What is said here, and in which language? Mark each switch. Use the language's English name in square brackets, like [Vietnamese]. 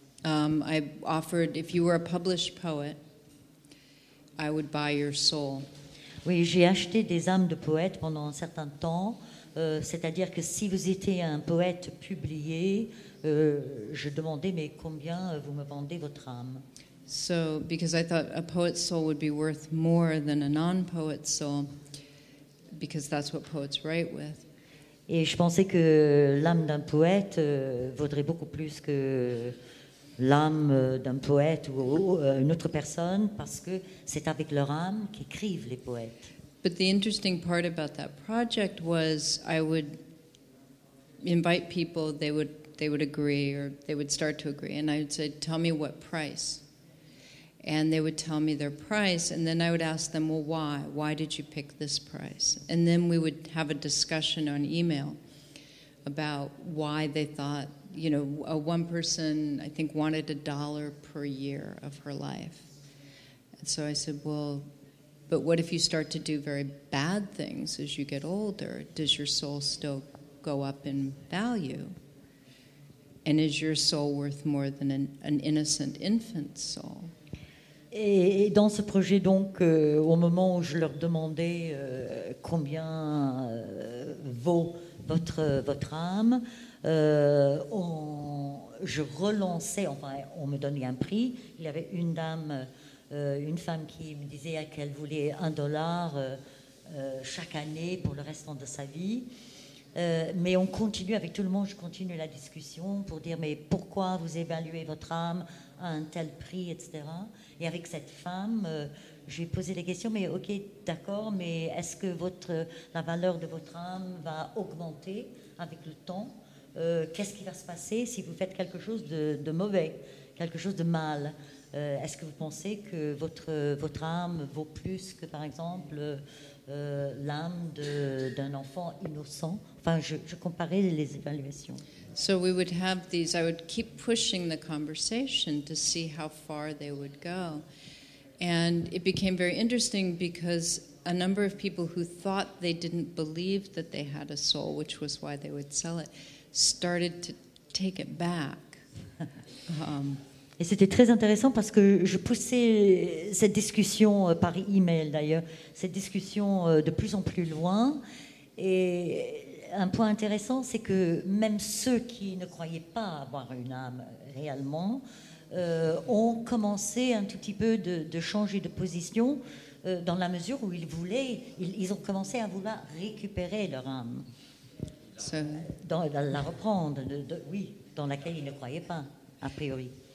[English] I offered, if you were a published poet, I would buy your soul. [French] Oui, j'ai acheté des âmes de poètes pendant un certain temps. C'est-à-dire que si vous étiez un poète publié, je demandais, mais combien vous me vendez votre âme? [English] So, because I thought a poet's soul would be worth more than a non-poet's soul, because that's what poets write with. [French] Et je pensais que l'âme d'un poète vaudrait beaucoup plus que l'âme d'un poète ou une autre personne, parce que c'est avec leur âme qu'écrivent les poètes. [English] But the interesting part about that project was I would invite people, they would agree, or they would start to agree, and I would say, tell me what price. And they would tell me their price, and then I would ask them, well, why? Why did you pick this price? And then we would have a discussion on email about why they thought, you know, one person, I think, wanted $1 per year of her life. And so I said, well, but what if you start to do very bad things as you get older? Does your soul still go up in value? And is your soul worth more than an innocent infant's soul? [French] Et dans ce projet, donc, au moment où je leur demandais combien vaut votre âme, je relançais, enfin, on me donnait un prix. Il y avait une dame, une femme qui me disait qu'elle voulait $1 chaque année pour le restant de sa vie. Mais on continue avec tout le monde, je continue la discussion pour dire, mais pourquoi vous évaluez votre âme à un tel prix, etc. Et avec cette femme, j'ai posé des questions, mais ok, d'accord, mais est-ce que la valeur de votre âme va augmenter avec le temps? Qu'est-ce qui va se passer si vous faites quelque chose de mauvais, quelque chose de mal? Est-ce que vous pensez que votre âme vaut plus que, par exemple, l'âme d'un enfant innocent? Enfin, je comparais les évaluations. [English] So we would have these, I would keep pushing the conversation to see how far they would go. And it became very interesting because a number of people who thought they didn't believe that they had a soul, which was why they would sell it, started to take it back. [French] Et c'était très intéressant parce que je poussais cette discussion par email d'ailleurs, cette discussion de plus en plus loin. Et un point intéressant, c'est que même ceux qui ne croyaient pas avoir une âme réellement ont commencé un tout petit peu de changer de position dans la mesure où ils ont commencé à vouloir récupérer leur âme, la reprendre, oui, dans laquelle ils ne croyaient pas, a priori.